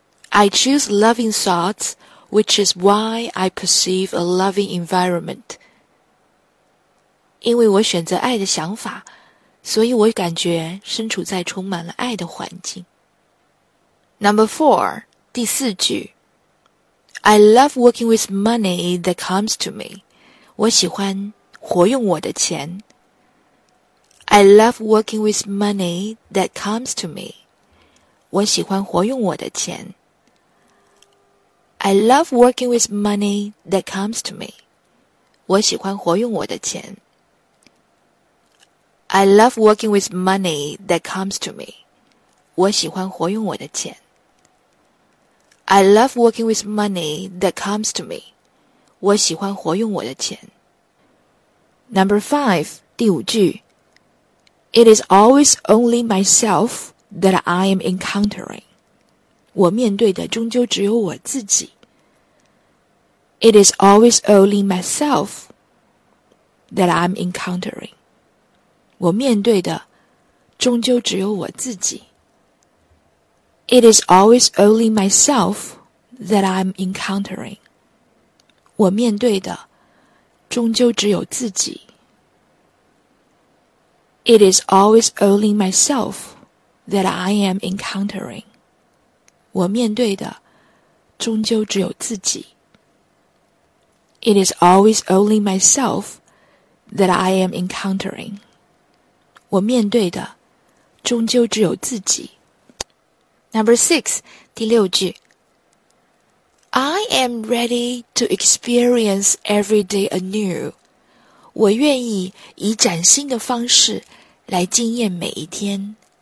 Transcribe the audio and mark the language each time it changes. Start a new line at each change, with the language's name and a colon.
English: I choose loving thoughts, which is why I perceive a loving environment.
Chinese: 因为我选择爱的想法，所以我感觉身处在充满了爱的环境。
English: Number four,
Chinese: 第四句。
English: I love working with money that comes to me.
Chinese: 我喜欢活用我的钱。
English: I love working with money that comes to me.
Chinese: 我喜欢活用我的钱。
English: I love working with money that comes to me.
Chinese: 我喜欢活用我的钱。
English: I love working with money that comes to me.
Chinese: 我喜欢活用我的钱。
English: I love working with money that comes to me.
Chinese: 我喜欢活用我的钱。
English: Number five,
Chinese: 第五句。
English: It is always only myself that I am encountering.
Chinese: 我面对的终究只有我自己。
English: It is always only myself that I'm encountering.
Chinese: 我面对的终究只有我自己。
English: It is always only myself that I'm encountering.
Chinese: 我面对的终究只有自己。
English: It is always only myself that I am encountering.
Chinese: 我面对的终究只有自己。
English: It is always only myself that I am encountering.
Chinese: 我面对的终究只有自己。
English: Number six,
Chinese: 第六句。
English: I am ready to experience every day anew.
Chinese: 我愿意以崭新的方式来经验每一天。